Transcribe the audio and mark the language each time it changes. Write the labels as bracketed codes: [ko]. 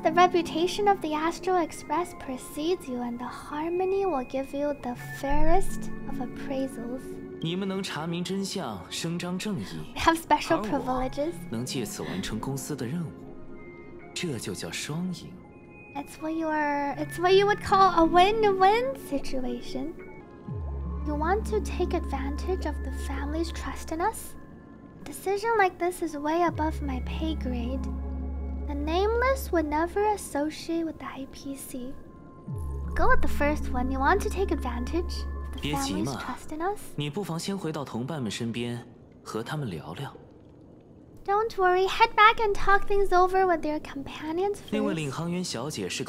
[en] The reputation of the Astro Express precedes you, and the harmony will give you the fairest of appraisals. [zh] 你们能查明真相，伸张正义。 [en] We have special privileges. [zh] 而我能借此完成公司的任务，这就叫双赢。 [en] It's what you would call a win-win situation. You want to take advantage of the family's trust in us? A decision like this is way above my pay grade. The nameless would never associate with the IPC. Go with the first one. You want to take advantage of the family's trust in us? [zh] 你不妨先回到同伴们身边，和他们聊聊。 [en] Don't worry, head back and talk things over with your companions first.